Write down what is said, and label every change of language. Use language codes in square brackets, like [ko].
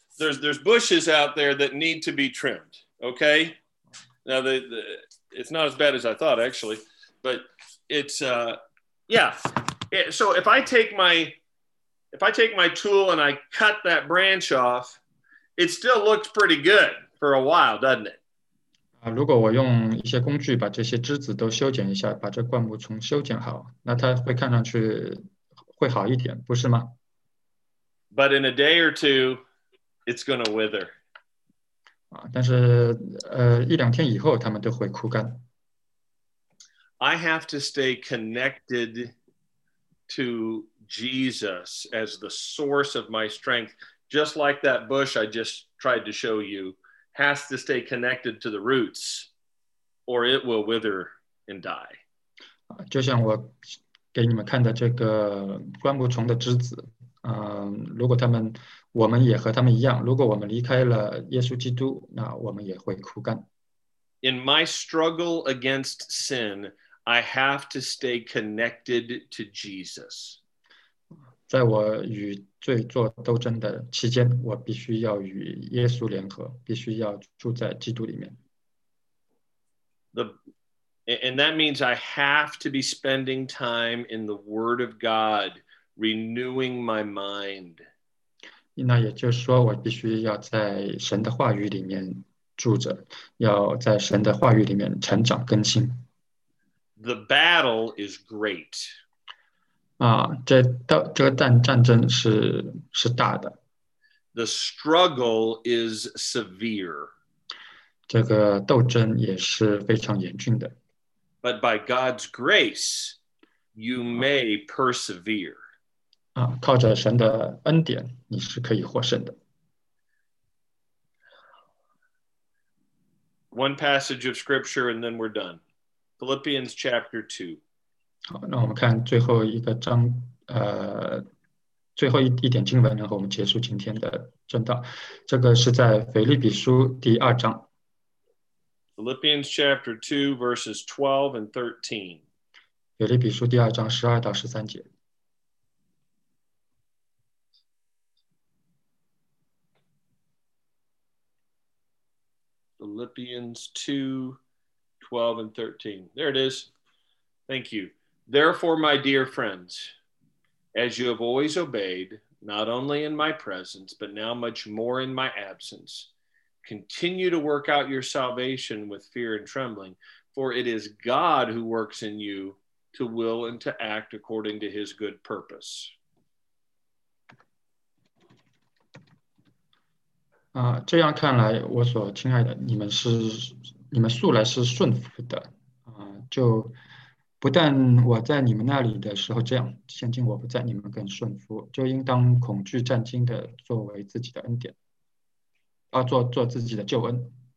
[en] There's bushes out there that need to be trimmed. Okay? Now, it's not as bad as I thought, actually, but it's, so if I take my tool and I cut that branch off, it still looks pretty good for a while, doesn't it? [zh] 如果我用一些工具把这些枝子都修剪一下，把这灌木丛修剪好，那它会看上去会好一点，不是吗？ [en] But in a day or two, it's going to wither. [zh] 但是一两天以后他们都会枯干。 [en] I have to stay connected to Jesus as the source of my strength, just like that bush I just tried to show you has to stay connected to the roots, or it will wither and die. [zh] 就像我给你们看的这个灌木丛的枝子，如果他们我们也和他们一样，如果我们离开了耶稣基督，那我们也会枯干。 [en] In my struggle against sin, I have to stay connected to Jesus. [zh] 在我与罪做斗争的期间，我必须要与耶稣联合，必须要住在基督里面。 [en] And that means I have to be spending time in the Word of God, renewing my mind. [zh] 那也就是说我必须要在神的话语里面住着，要在神的话语里面成长更新。 [en] The battle is great. [zh] 啊，这个战争是大的。 [en] The struggle is severe. [zh] 这个斗争也是非常严峻的。 [en] But by God's grace, you may persevere. [zh] 啊，靠着神的恩典，你是可以获胜的。 [en] One passage of scripture and then we're done. Philippians chapter 2. [zh] 好，那我们看最后一个章，最后一点经文，然后我们结束今天的正道。这个是在腓立比书第二章。 [en] Philippians chapter 2, verses 12 and 13. [zh] 腓立比书第二章12到13节。 [en] Philippians 2, 12 and 13. There it is. Thank you. Therefore, my dear friends, as you have always obeyed, not only in my presence, but now much more in my absence, continue to work out your salvation with fear and trembling, for it is God who works in you to will and to act according to his good purpose. [zh] 这样看来，我所亲爱的，你们素来是顺服的，就不但我在你们那里的时候这样，现今我不在，你们更顺服，就应当恐惧战惊的作为自己的恩典，做自己的救恩。